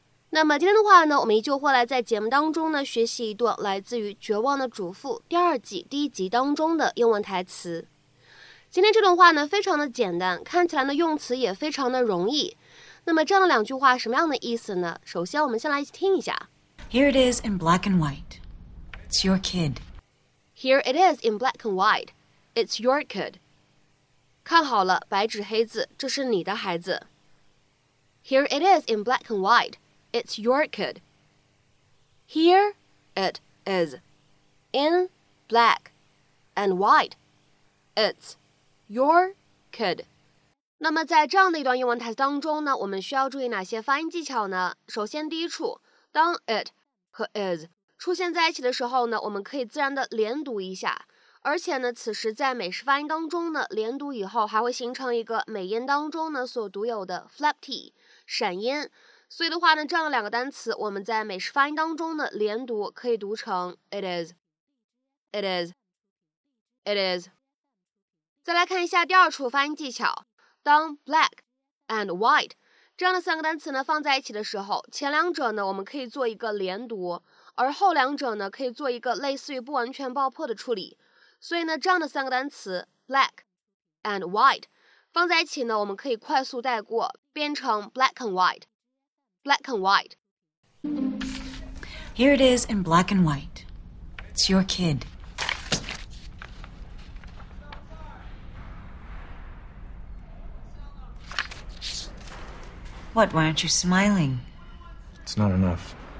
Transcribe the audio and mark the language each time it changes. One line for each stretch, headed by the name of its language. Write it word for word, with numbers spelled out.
Chinese: 那么今天的话呢，我们依旧会来在节目当中呢学习一段来自于《绝望的主妇》第二季第一集当中的英文台词。今天这段话呢非常的简单，看起来呢用词也非常的容易。那么这样的两句话什么样的意思呢？首先我们先来一起听一下。
English: Here it is in black and white. It's your kid. Here it is in black and white. It's your kid.
Chinese: 看好了，白纸黑字，这是你的孩子。
English: Here it is in black and white. It's your kid. Here it is in black and white. It's your kid.
Chinese: 那么在这样的一段英文台词当中呢，我们需要注意哪些发音技巧呢？首先第一处，当 it 和 is 出现在一起的时候呢，我们可以自然的连读一下，而且呢，此时在美式发音当中呢，连读以后还会形成一个美音当中呢所独有的 flap t 闪音，所以的话呢，这样两个单词我们在美式发音当中呢连读可以读成
English: it is, it is, it is。
Chinese: 再来看一下第二处发音技巧，当 black and white 这样的三个单词呢放在一起的时候，前两者呢我们可以做一个连读，而后两者呢可以做一个类似于不完全爆破的处理，所以呢这样的三个单词 black and white 放在一起呢我们可以快速带过，变成
English: black and white, black and white。 Here it is in black and white. It's your kid. What, why aren't you smiling? It's not enough.